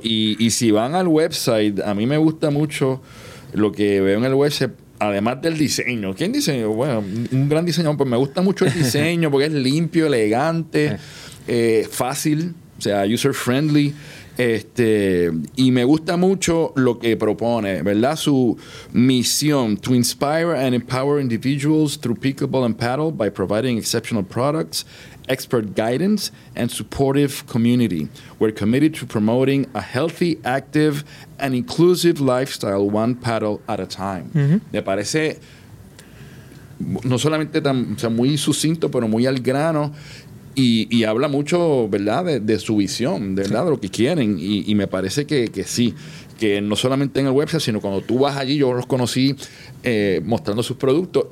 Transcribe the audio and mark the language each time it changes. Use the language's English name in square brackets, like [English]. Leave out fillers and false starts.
[Spanish] Y si van al website, a mí me gusta mucho lo que veo en el website. Además del diseño. ¿Quién diseñó? Bueno, un gran diseñador. Pues me gusta mucho el diseño porque es limpio, elegante, fácil, o sea, user-friendly. Y me gusta mucho lo que propone, ¿verdad? Su misión, [English] to inspire and empower individuals through pickleball and paddle by providing exceptional products, expert guidance, and supportive community. We're committed to promoting a healthy, active, and inclusive lifestyle one paddle at a time. Mm-hmm. [Spanish] Me parece, no solamente tan, o sea, muy sucinto, pero muy al grano. Y habla mucho, ¿verdad?, de su visión, ¿verdad?, de lo que quieren. Y me parece que sí, que no solamente en el website, sino cuando tú vas allí, yo los conocí mostrando sus productos.